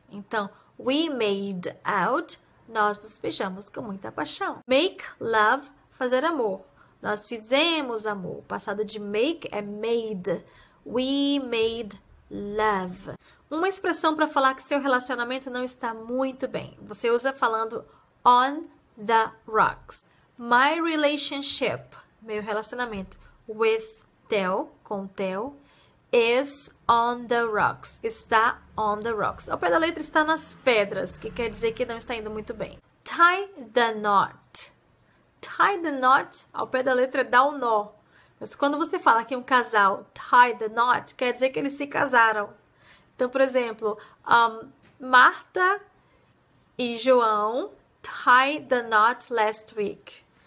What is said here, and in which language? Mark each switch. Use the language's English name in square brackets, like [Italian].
[Portuguese] Então, [English] we made out, [Portuguese] nós nos beijamos com muita paixão. [English] Make love, [Portuguese] fazer amor. Nós fizemos amor. O passado de make é made. [English] We made love. [Portuguese] Uma expressão para falar que seu relacionamento não está muito bem. Você usa falando on [English] the rocks. My relationship, [Portuguese] meu relacionamento [English] with Theo, com Theo, is on the rocks. Está on the rocks. [Portuguese] Ao pé da letra está nas pedras, que quer dizer que não está indo muito bem. [English] Tie the knot. Tie the knot, [Portuguese] ao pé da letra, dá um nó. Mas quando você fala que um casal tie the knot, quer dizer que eles se casaram. Então, por exemplo, [English] Marta e João tied the knot last week.